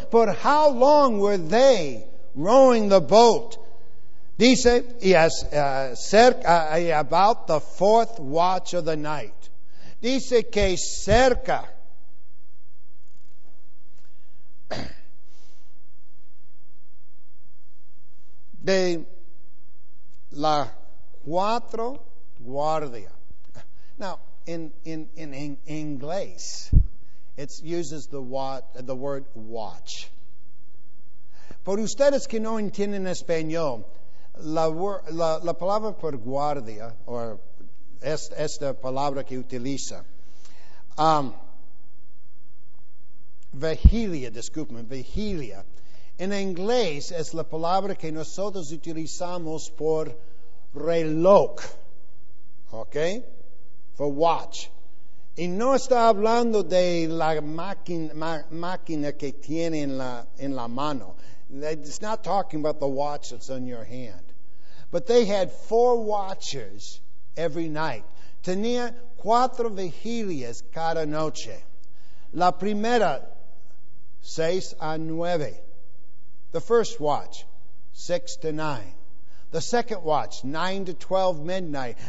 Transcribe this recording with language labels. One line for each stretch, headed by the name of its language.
English: ¿Por how long were they rowing the boat? Dice, about the fourth watch of the night.
Spanish: Dice que cerca de la cuatro guardia. Now,
English: in English, it uses the word watch.
Spanish: Por ustedes que no entienden español, la palabra por guardia, or esta palabra que utiliza, vigilia, en inglés es la palabra que nosotros utilizamos por reloj, ¿ok?
English: For watch.
Spanish: Y no está hablando de la máquina que tiene en la mano.
English: It's not talking about the watch that's on your hand. But they had four watchers every night.
Spanish: Tenía cuatro vigilias cada noche. La primera, 6 a 9.
English: The first watch, 6 to 9. The second watch, 9 to 12 midnight.